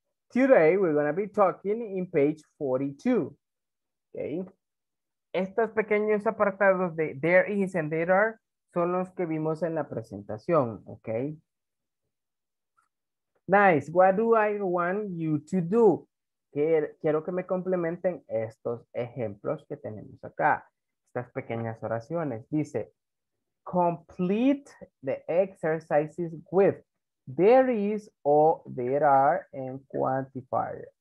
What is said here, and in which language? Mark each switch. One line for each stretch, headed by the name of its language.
English: Today we're going to be talking in page 42, okay.
Spanish: Estos pequeños apartados de
English: there is and there are
Spanish: son los que vimos en la presentación, okay.
English: Nice, what do I want you to do?
Spanish: Quiero que me complementen estos ejemplos que tenemos acá. Estas pequeñas oraciones.
English: Dice, complete the exercises with there is or there are and quantifier.